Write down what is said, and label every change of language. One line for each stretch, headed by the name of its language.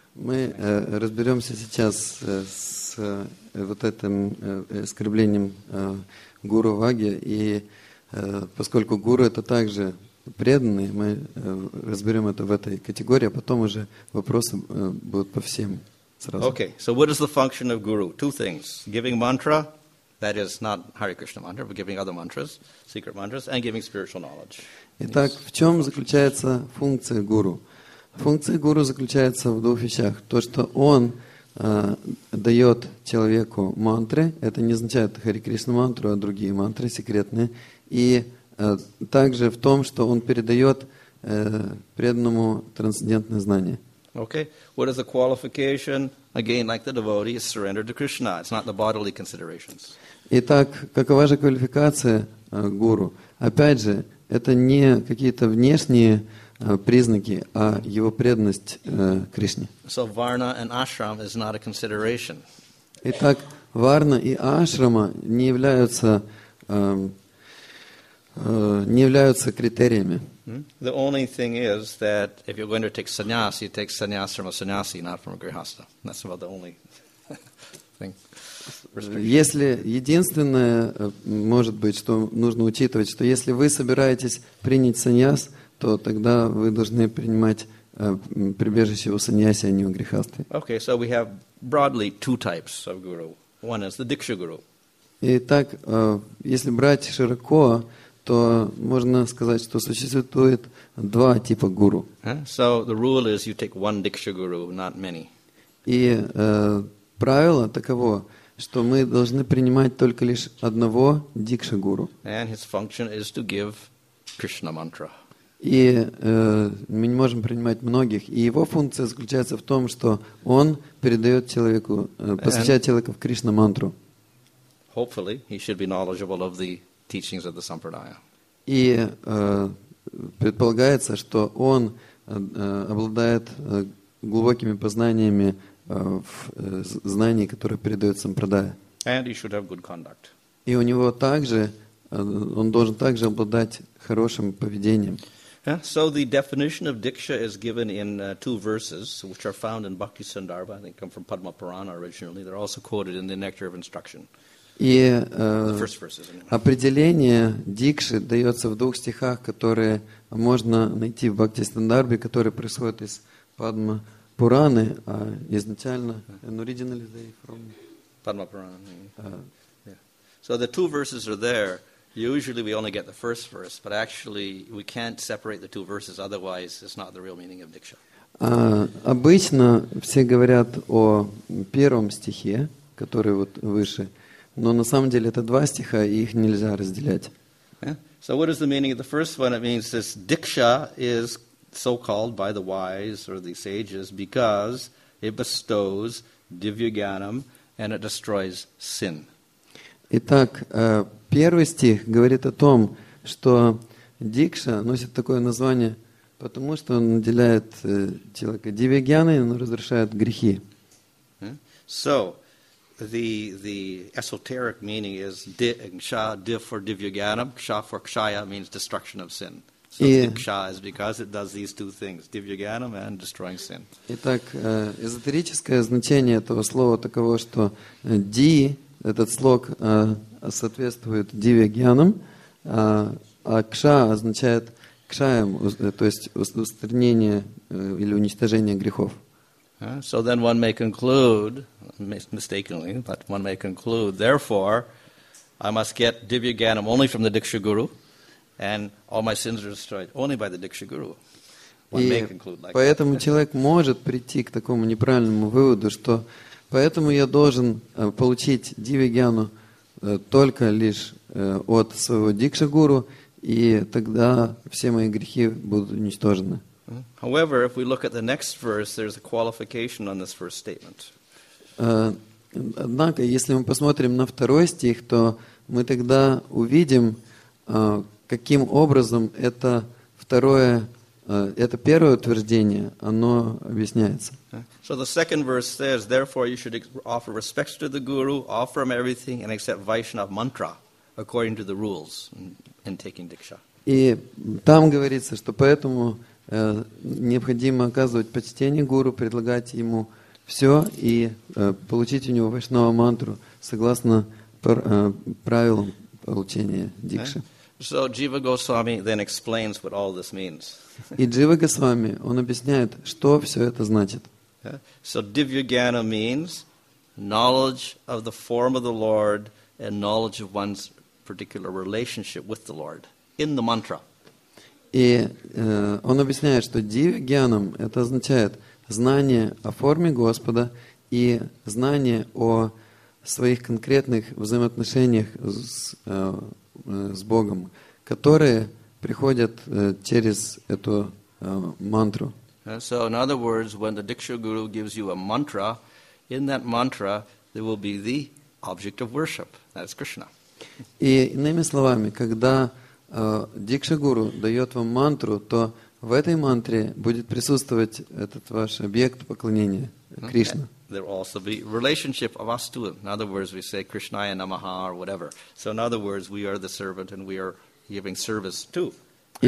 Russian: Мы разберемся сейчас с вот этим оскорблением гуру Вагья, и поскольку гуру это также преданный, мы разберем это в этой категории, а потом уже вопросы будут по всем сразу.
English: Okay, so what is the function of guru? Two things: giving mantra, that is not Hare Krishna mantra, but giving other mantras, secret mantras, and giving spiritual knowledge.
Russian: Итак, в чем заключается функция гуру? Функция гуру заключается в двух вещах. То, что он дает человеку мантры, это не означает Хари Кришна мантру, а другие мантры секретные, и также в том, что он передает преданному трансцендентное знание.
English: Okay, what is the qualification? Again, like the devotee, is surrender to Krishna. It's not the bodily considerations.
Russian: Итак, какова же квалификация гуру? Опять же, это не какие-то внешние признаки, а его преданность Кришне.
English: So varna and ashram is not a consideration.
Russian: Итак, варна и ашрама не являются критериями.
English: The only thing is that if you're going to take sannyas, you take sannyas from a sannyasi, not from a grihastha. That's about the only thing.
Russian: Если единственное может быть, что нужно учитывать, что если вы собираетесь принять сannyas, то тогда вы должны принимать прибежище у саньяси, а не у грехасты.
English: Okay, so we have broadly two types of guru. One is the Diksha guru.
Russian: Итак, если брать широко, то можно сказать, что существует два типа гуру.
English: So the rule is you take one Diksha guru, not many.
Russian: И правило таково, что мы должны принимать только лишь одного Диксха гуру.
English: And his function is to give Krishna mantra.
Russian: И мы не можем принимать многих. И его функция заключается в том, что он передает человеку, посвящает человека в Кришна мантру.
English: Hopefully he should be knowledgeable of the teachings of the Sampradaya.
Russian: И предполагается, что он обладает глубокими познаниями в знании, которое передает Сампрадая.
English: And he should have good conduct.
Russian: И у него также, он должен также обладать хорошим поведением.
English: So the definition of Diksha is given in two verses, which are found in Bhakti Sandarbha. I think come from Padma Purana originally. They're also quoted in the Nectar of Instruction.
Russian: И определение Дикши дается в двух стихах, которые можно найти в Бхакти Сандарбе, которые происходят из Падма Пураны, а изначально
English: originally they from Padma Purana. So the two verses are there. Usually we only get the first verse, but actually we can't separate the two verses, otherwise it's not the real meaning of Diksha.
Russian: Обычно все говорят о первом стихе, который вот выше, но на самом деле это два стиха, и их нельзя разделять.
English: So what is the meaning of the first one? It means this Diksha is so called by the wise or the sages because it bestows Divya Gyanam and it destroys sin.
Russian: Итак, первый стих говорит о том, что дикша носит такое название, потому что он наделяет человека дивигьяной, он разрушает грехи.
English: So, the esoteric meaning is diksha, div for divyagyanam, ksha for kshaya means destruction of sin. So diksha is because it does these two things, divyagyanam and destroying sin.
Russian: Итак, эзотерическое значение этого слова таково, что ди, этот слог, соответствует дивигьянам, а кша означает кшаем, то есть устранение или уничтожение грехов.
English: So then one may conclude, mistakenly, but one may conclude, therefore, I must get Divyagyanam only from the Diksha Guru, and all my sins are destroyed only by the Diksha Guru. One may conclude like
Russian: поэтому
English: that.
Russian: Человек может прийти к такому неправильному выводу, что поэтому я должен получить Дивигьяну только лишь от своего Дикша Гуру, и тогда все мои грехи будут уничтожены.
English: However, if we look at the next verse, there's a qualification on this first statement.
Russian: Однако, если мы посмотрим на второй стих, то мы тогда увидим, каким образом это второе, это первое утверждение, оно объясняется.
English: So the second verse says, therefore you should offer respects to the Guru, offer him everything and accept Vaishnava mantra according to the rules in taking Diksha.
Russian: И там говорится, что поэтому необходимо оказывать почтение гуру, предлагать ему все и получить у него вайшнава мантру согласно правилам получения дикши.
English: So Jiva Goswami then explains what all this means.
Russian: И Джива Госвами, он объясняет, что все это значит.
English: So Divyagyana means knowledge of the form of the Lord and knowledge of one's particular relationship with the Lord in the mantra.
Russian: И он объясняет, что дивигьянам это означает знание о форме Господа и знание о своих конкретных взаимоотношениях с Богом, которые приходят через эту мантру.
English: So, in other words, when the Diksha Guru gives you a mantra, in that mantra there will be the object of worship, that's Krishna.
Russian: И иными словами, когда Дикша-гуру дает вам мантру, то в этой мантре будет присутствовать этот ваш объект поклонения, Кришна.
English: There will also be relationship of us to him. In other words, we say Krishnaya Namaha or whatever. So in other words, we are the servant and we are giving service to Krishna.